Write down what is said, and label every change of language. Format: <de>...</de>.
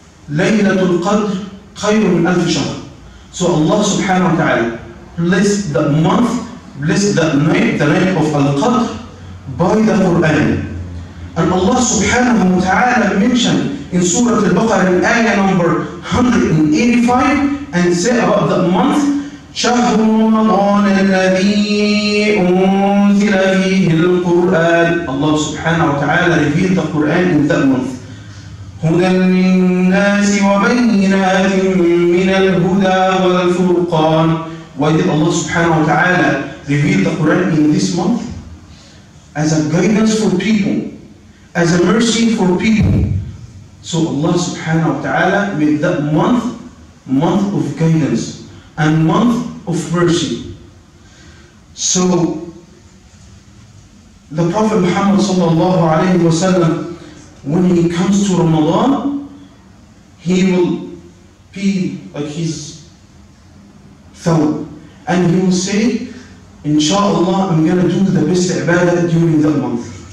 <ar>Laylatul Qadr khayrun min alf shahr.</ar> <en>So Allah subhanahu wa ta'ala blessed the night, the night of Al-Qadr by the Quran. And Allah subhanahu wa ta'ala mentioned in Surah Al-Baqarah in ayah number 185 and said about that month.</en> <ar>شهر رمضان الذي أنزل فيه القرآن الله سبحانه وتعالى</ar> <en>revealed the Quran in that month</en> <ar>هدى للناس وبينات من الهدى والفرقان</ar> <en>Why did Allah سبحانه وتعالى revealed the Quran in this month? As a guidance for people, as a mercy for people. So Allah سبحانه وتعالى made that month, month of guidance and month of mercy. So the Prophet Muhammad sallallahu alayhi wa sallam, when he comes to Ramadan, he will be like his thawb and he will say, inshallah, I'm gonna do the best ibadah during that month.</en>